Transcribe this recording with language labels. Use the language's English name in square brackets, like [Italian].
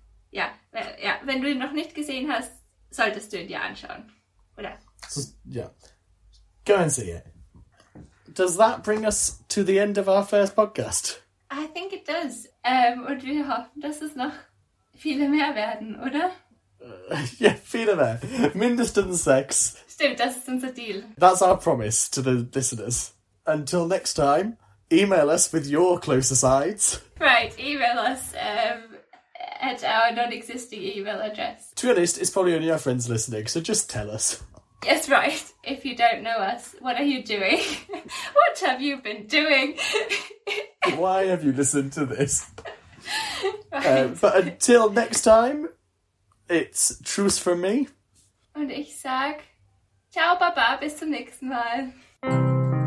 [German] Ja, wenn du ihn noch nicht gesehen hast, solltest du ihn dir anschauen, oder? [English] So, ja, go and see it. Does that bring us to the end of our first podcast? I think it does. [German] Und wir hoffen, dass es noch viele mehr werden, oder? Ja, viele mehr. Mindestens 6. Stimmt, das ist unser Deal. [English] That's our promise to the listeners. Until next time, email us with your closer sides. Right, email us at our non-existing email address. To be honest, it's probably only our friends listening, so just tell us. Yes, right. If you don't know us, what are you doing? What have you been doing? Why have you listened to this? Right. But until next time, it's truce from me. [German] Und ich sag, ciao, baba, bis zum nächsten Mal.